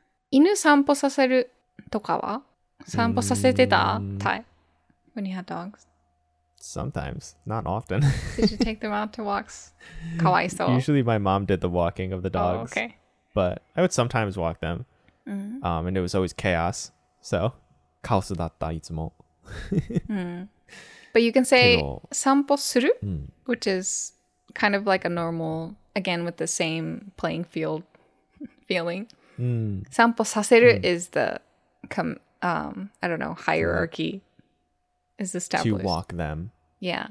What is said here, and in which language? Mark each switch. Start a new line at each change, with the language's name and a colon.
Japanese: 犬散歩させるとかは?散歩させてた?
English: Tai, when you had dogs? Sometimes, not often. Did you take them out to walks?
Japanese: かわいそう。
English: Usually my mom did the walking of the dogs. Oh, okay. But I would sometimes walk them. And it was always chaos.
Japanese: So, カオスだったいつも。
English: But you can say 散歩する?Which is... Kind of like a normal, again, with the same playing field feeling. Sampo saseru is the, I don't know, hierarchy is established. To walk them. Yeah.